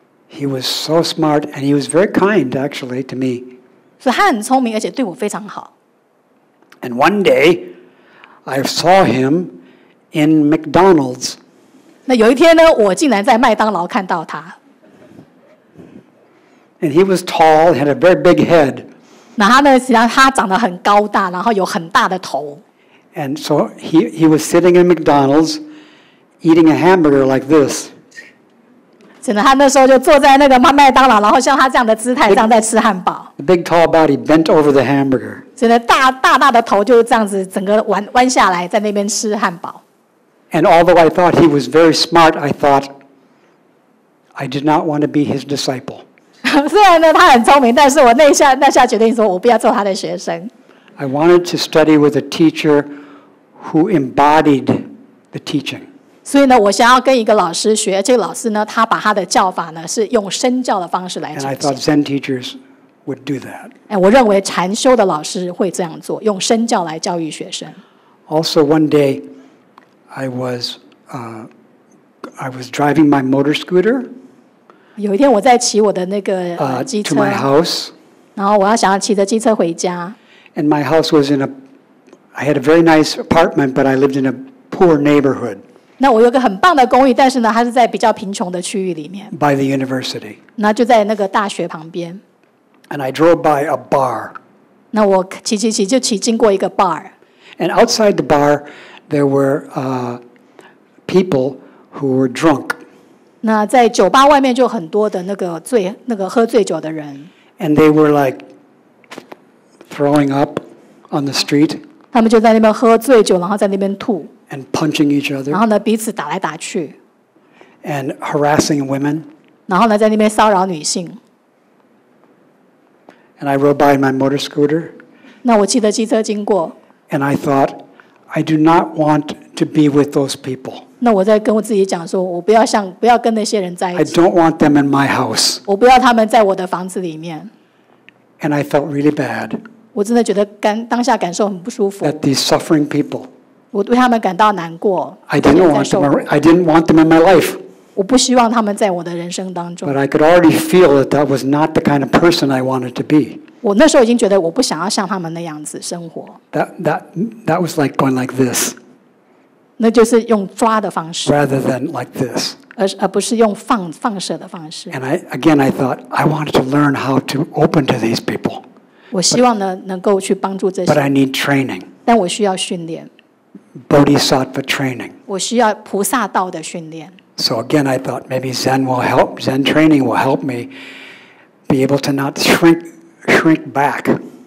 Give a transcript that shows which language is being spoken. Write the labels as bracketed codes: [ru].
[en] He was so smart, and he was very kind, actually, to me. [zh] 所以他很聪明，而且对我非常好。 [en] And one day. I saw him in McDonald's. [zh] 那有一天呢，我竟然在麦当劳看到他。 [en] And he was tall, had a very big head. [zh] 那他呢，实际上他长得很高大，然后有很大的头。 [en] And so he was sitting in McDonald's, eating a hamburger like this. [zh] 真的，他那时候就坐在那个麦当劳，然后像他这样的姿态，这样在吃汉堡。 [en] The big tall body bent over the hamburger. [zh] 真的大的头就这样子整个弯下来在那边吃汉堡。 [en] And although I thought he was very smart, I thought I did not want to be his disciple. [zh] 虽然呢他很聪明，但是我那下决定说我不要做他的学生。 [en] I wanted to study with a teacher who embodied the teaching. [zh] 所以呢我想要跟一个老师学，这个老师呢他把他的教法呢是用身教的方式来呈现。 [en] And I thought Zen teachers. Would do that. [zh] 我认为禅修的老师会这样做，用身教来教育学生。 [en] Also, one day, I was driving my motor scooter. [zh] 有一天我在骑我的那个机车。 [en] To my house. [zh] 然后我要想要骑着机车回家。 [en] And my house was in a, I had a very nice apartment, but I lived in a poor neighborhood. [zh] 那我有个很棒的公寓，但是呢，它是在比较贫穷的区域里面。 [en] By the university. [zh] 那就在那个大学旁边。 [en] And I drove by a bar. [zh] 那我骑就骑经过一个 bar. [en] And outside the bar, there were people who were drunk. [zh] 那在酒吧外面就很多的那个喝醉酒的人。 [en] And they were like throwing up on the street. [zh] 他们就在那边喝醉酒，然后在那边吐。 [en] And punching each other. [zh] 然后呢，彼此打来打去。 [en] And harassing women. [zh] 然后呢，在那边骚扰女性。 [en] And I rode by my motor scooter. [zh] 那我骑着机车经过。 [en] And I thought, I do not want to be with those people. [zh] 那我在跟我自己讲说，我不要跟那些人在一起。 [en] I don't want them in my house. [zh] 我不要他们在我的房子里面。 [en] And I felt really bad. [zh] 我真的觉得当下感受很不舒服。 [en] That these suffering people. [zh] 我对他们感到难过。 [en] I didn't want them in my life. [zh] 我不希望他们在我的人生当中。 [en] But I could already feel that that was not the kind of person I wanted to be. [zh] 我那时候已经觉得我不想要像他们那样子生活。 [en] That was like going like this. [zh] 那就是用抓的方式。 [en] Rather than like this. [zh] 而不是用放射的方式。 [en] And I thought I wanted to learn how to open to these people. [zh] 我希望呢能够去帮助这些。 [en] But I need training. [zh] 但我需要训练。 [en] Bodhisattva training. [zh] 我需要菩萨道的训练。 [en] So again, I thought maybe Zen will help. Zen training will help me be able to not shrink back.